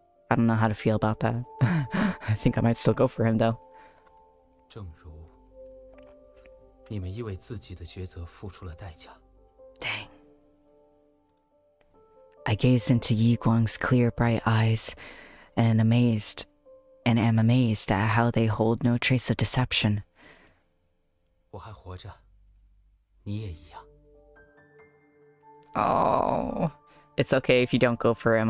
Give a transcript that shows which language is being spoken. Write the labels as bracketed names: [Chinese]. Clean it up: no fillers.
[English] I don't know how to feel about that. I think I might still go for him though. [Chinese] 正如你们因为自己的抉择付出了代价。 [English] Dang. I gaze into Yi Guang's clear, bright eyes and am amazed at how they hold no trace of deception. [Chinese] 我还活着，你也一样。 [English] Oh, it's okay if you don't go for him.